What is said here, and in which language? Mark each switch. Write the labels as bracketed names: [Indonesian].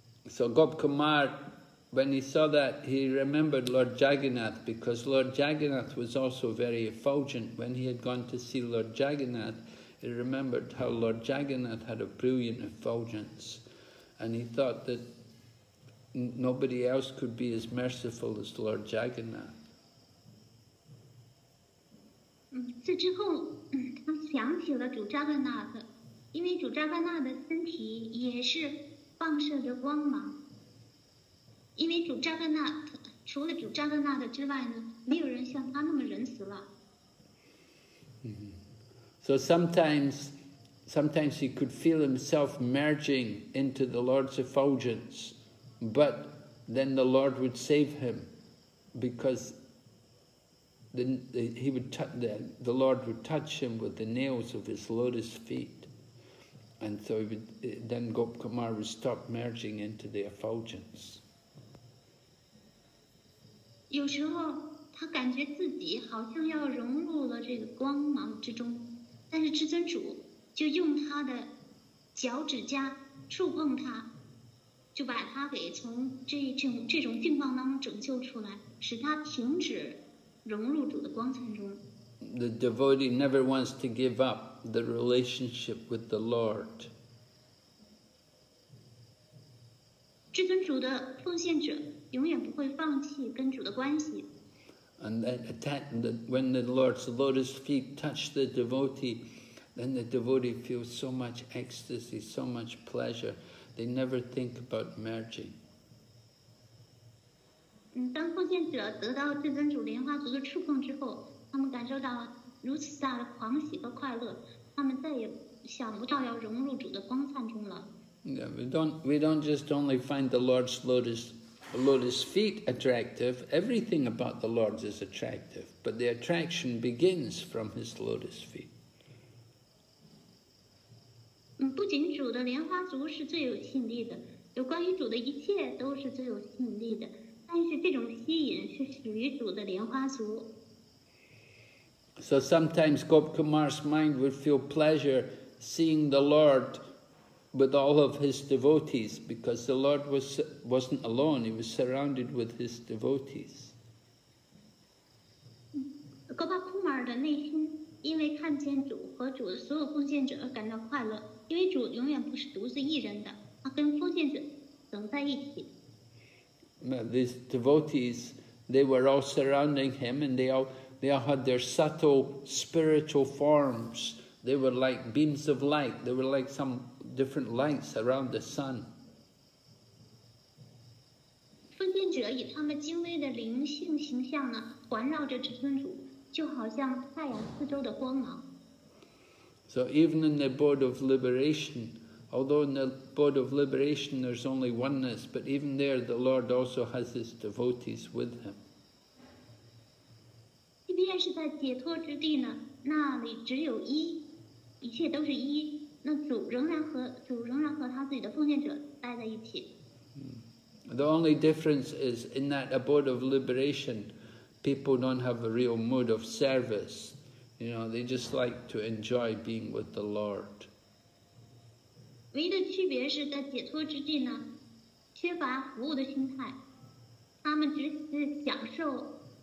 [English] So Gop Kumar, when he saw that, he remembered Lord Jagannath, because Lord Jagannath was also very effulgent. When he had gone to see Lord Jagannath, he remembered how Lord Jagannath had a brilliant effulgence. And he thought that nobody else could be as merciful as Lord Jagannath. [Chinese] 这之后，他想起了主迦格纳的。因为主扎巴纳的身体也是放射着光芒，因为主扎巴纳除了主扎巴纳的之外呢，没有人像他那么仁慈了。 [English] So sometimes he could feel himself merging into the Lord's effulgence, but then the Lord would save him, because the Lord would touch him with the nails of his lotus feet. And so it would, then Gop Kumar would stop merging into the effulgence. [Chinese] 有时候他感觉自己好像要融入了这个光芒之中，但是至尊主就用他的脚趾甲触碰他，就把他给从这种境况当中拯救出来，使他停止融入主的光彩中。 [English] The devotee never wants to give up the relationship with the Lord. [Chinese] 至尊主的奉献者永远不会放弃跟主的关系。 [English] And when the Lord's lotus feet touch the devotee, then the devotee feels so much ecstasy, so much pleasure. They never think about merging. [Chinese] 当奉献者得到至尊主莲花足的触碰之后，他们感受到如此大的狂喜和快乐，他们再也想不到要融入主的光灿中了。 [English] Yeah, we don't just only find the Lord's lotus feet attractive, everything about the Lord is attractive, but the attraction begins from his lotus feet. [Chinese] 不仅主的莲花足是最有吸引力的，有关于主的一切都是最有吸引力的，但是这种吸引是属于主的莲花足。 [English] So sometimes Gop Kumar's mind would feel pleasure seeing the Lord with all of his devotees, because the Lord wasn't alone, he was surrounded with his devotees. [Chinese] Gop Kumar 的内心因为看见主和主的所有奉献者而感到快乐，因为主永远不是独自一人的，他跟奉献者等在一起。 [English] These devotees, they were all surrounding him, and they all had their subtle spiritual forms. They were like beams of light. They were like some different lights around the sun. [Chinese] 奉献者以他们精微的灵性形象呢，环绕着至尊主，就好像太阳四周的光芒。 [English] So even in the abode of liberation, although in the abode of liberation there's only oneness, but even there the Lord also has his devotees with him. The only difference is in that abode of liberation, people don't have a real mood of service. You know, they just like to enjoy being with the Lord. [Chinese] 唯一的区别是在解脱之地呢，缺乏服务的心态，他们只是享受。